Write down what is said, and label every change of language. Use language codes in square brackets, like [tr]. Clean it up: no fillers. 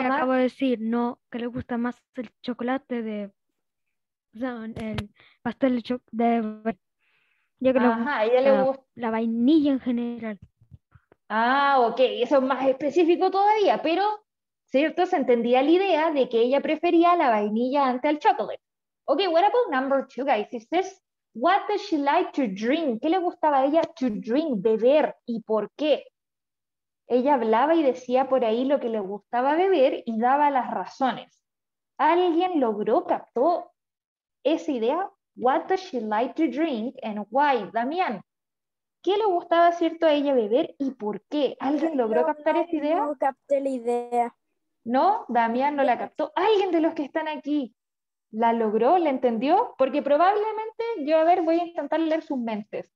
[es] Es lo que acabo de decir, no, que le gusta más el chocolate de, o sea, el pastel de chocolate. Ajá, que a ella le gusta. La vainilla en general. Ah, ok, eso es más específico todavía, pero, ¿cierto? Se entendía la idea de que ella prefería la vainilla ante el chocolate. [en] Ok, what about number two, guys? It says, what does she like to drink? [es] ¿Qué le gustaba a ella [en] to drink, [es] beber, y por qué? Ella hablaba y decía por ahí lo que le gustaba beber y daba las razones. ¿Alguien logró, captó esa idea? [en] What does she like to drink and why? [es] Damián, ¿qué le gustaba, cierto, a ella beber y por qué? ¿Alguien logró captar esa idea? No capté la idea. ¿No? Damián no la captó. ¿Alguien de los que están aquí la logró, la entendió? Porque probablemente yo, a ver, voy a intentar leer sus mentes.